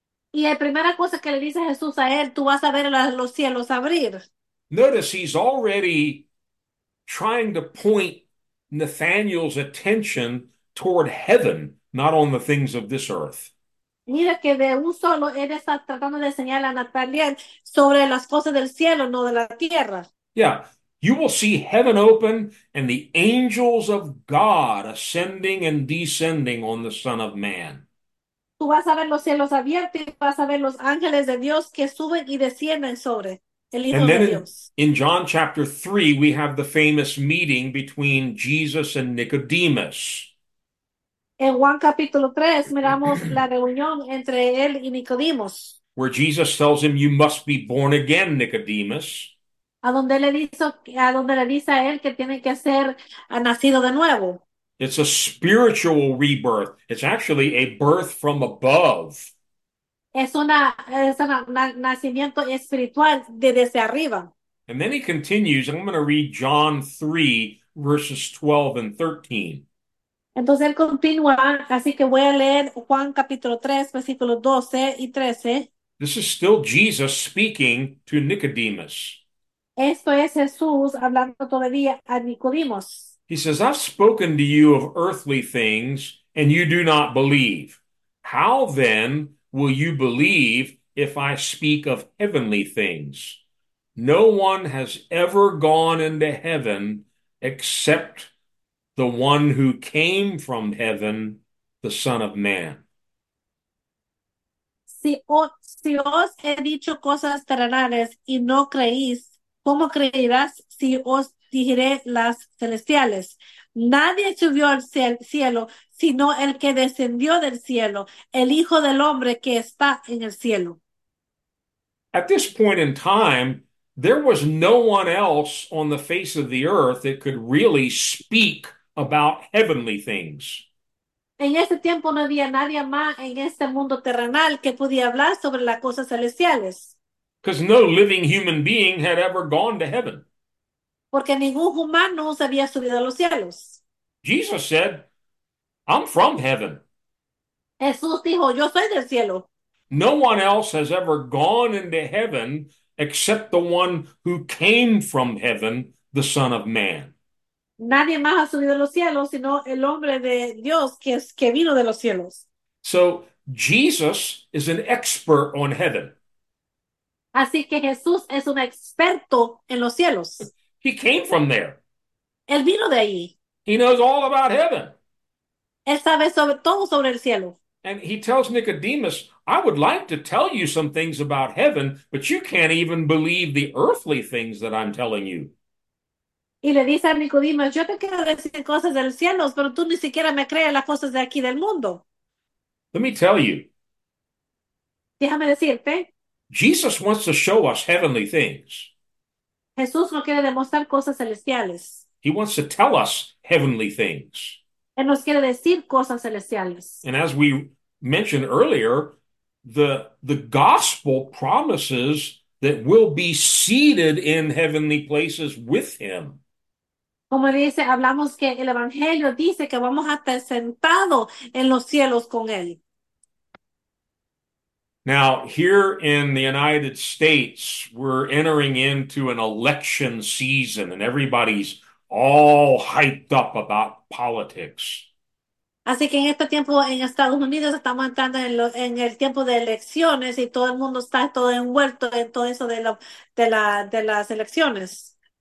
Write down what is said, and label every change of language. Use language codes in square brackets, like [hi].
[es] Y la primera cosa que le dice Jesús a él, tú vas a ver los cielos abrir. [en] Notice he's already trying to point Nathaniel's attention toward heaven, not on the things of this earth. [es] Mira que de un solo él está tratando de señalar a Natalia sobre las cosas del cielo, no de la tierra. [en] Yeah, you will see heaven open and the angels of God ascending and descending on the Son of Man. [es] Tú vas a ver los cielos abiertos y vas a ver los ángeles de Dios que suben y descienden sobre el [en] And [es] Hijo de Dios. [en] in John chapter 3, we have the famous meeting between Jesus and Nicodemus. [es] En Juan capítulo 3, miramos la reunión entre él y Nicodemos. [en] Where Jesus tells him, you must be born again, Nicodemus. [es] A donde le dice a él que tiene que ser nacido de nuevo. [en] It's a spiritual rebirth. It's actually a birth from above. [es] Es una nacimiento espiritual de desde arriba. [en] And then he continues, I'm going to read John 3, verses 12 and 13. [es] Entonces él continúa, así que voy a leer Juan capítulo 3, versículos 12 y 13. [en] This is still Jesus speaking to Nicodemus. [es] Esto es Jesús hablando todavía a Nicodemos. [en] He says, I've spoken to you of earthly things, and you do not believe. How then will you believe if I speak of heavenly things? No one has ever gone into heaven except the one who came from heaven, the Son of Man. [es] Si os he dicho cosas terrenales y no creéis, ¿cómo creerás si os dijere las celestiales? Nadie subió al cielo, sino el que descendió del cielo, el Hijo del Hombre que está en el cielo. [en] At this point in time, there was no one else on the face of the earth that could really speak about heavenly things. [es] En ese tiempo no había nadie más en este mundo terrenal que pudiera hablar sobre las cosas celestiales. [en] Because no living human being had ever gone to heaven. [es] Porque ningún humano se había subido a los cielos. [en] Jesus said, I'm from heaven. [es] Jesús dijo, yo soy del cielo. [en] No one else has ever gone into heaven. Except the one who came from heaven, the Son of Man. [es] Nadie más ha subido a los cielos, sino el hombre de Dios que vino de los cielos. [en] So Jesus is an expert on heaven. [es] Así que Jesús es un experto en los cielos. [en] He came from there. [es] Él vino de allí. [en] He knows all about heaven. [es] Él sabe sobre todo sobre el cielo. [en] And he tells Nicodemus, I would like to tell you some things about heaven, but you can't even believe the earthly things that I'm telling you. [es] Y le dice a Nicodemo, yo te quiero decir cosas del cielo, pero tú ni siquiera me crees las cosas de aquí del mundo. [en] Let me tell you, [es] Déjame decirte. [en] Jesus wants to show us heavenly things. [es] Jesús no quiere demostrar cosas celestiales. [en] He wants to tell us heavenly things. [es] Él nos quiere decir cosas celestiales. [en] And as we mentioned earlier, the gospel promises that we'll be seated in heavenly places with him. [es] Como dice, hablamos que el Evangelio dice que vamos a estar sentados en los cielos con él. [en] Now, here in the United States, we're entering into an election season, and everybody's all hyped up about politics. [es] Así que en este tiempo en Estados Unidos estamos entrando en el tiempo de elecciones y todo el mundo está todo envuelto en todo eso de de las elecciones.